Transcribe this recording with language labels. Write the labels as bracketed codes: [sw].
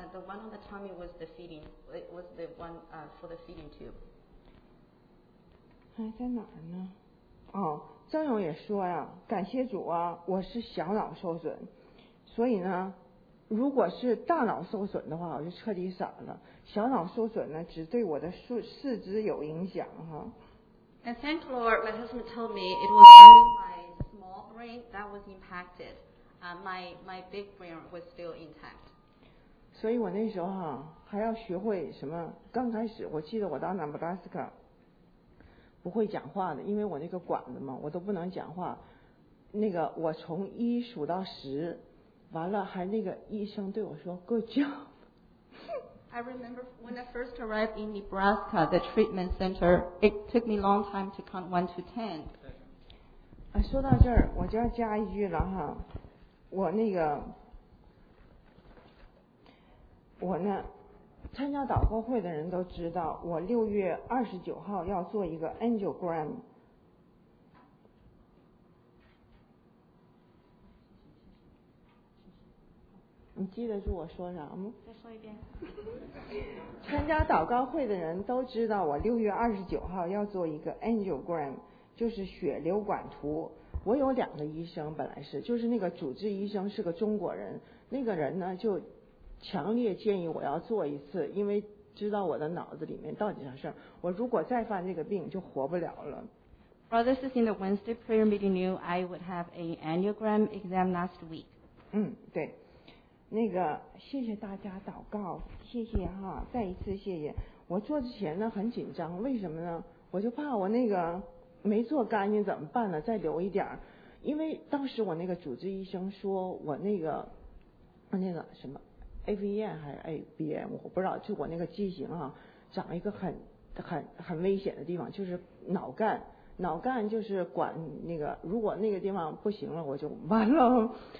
[en] The one on the tummy was the feeding. It was the one for the feeding tube. [zh] 还在哪儿呢？哦，张勇也说呀，感谢主啊，我是小脑受损，所以呢，如果是大脑受损的话，我就彻底傻了。小脑受损呢，只对我的四肢有影响哈。 [en] And thank Lord, my husband told me it was only my small brain that was impacted. My big brain was still intact. [zh] 所以我那时候哈、啊、还要学会什么？刚开始我记得我到南布拉斯卡不会讲话的，因为我那个管子嘛，我都不能讲话。那个我从一数到十，完了还那个医生对我说 [en] "Good job." I remember when I first arrived in Nebraska, the treatment center. It took me long time to count 1 to 10. [zh] 啊，说到这儿我就要加一句了哈。我那个，我呢，参加祷告会的人都知道，我6月29号要做一个 angiogram。你记得住我说啥吗？再说一遍。参加祷告会的人都知道，我6月29号要做一个 angiogram， 就是血流管图。我有两个医生，本来是就是那个主治医生是个中国人，那个人呢就强烈建议我要做一次，因为知道我的脑子里面到底啥事儿，我如果再犯这个病就活不了了。 [en] Well, this is in the Wednesday prayer meeting. New, I would have an angiogram exam last week. [zh] 嗯，对，那个谢谢大家祷告，谢谢哈，再一次谢谢。我做之前呢很紧张，为什么呢？我就怕我那个。没做干净怎么办呢？再留一点，因为当时我那个主治医生说我那个什么 AVN 还是 ABN 我不知道，就我那个畸形啊，长一个很危险的地方，就是脑干就是管那个，如果那个地方不行了我就完了。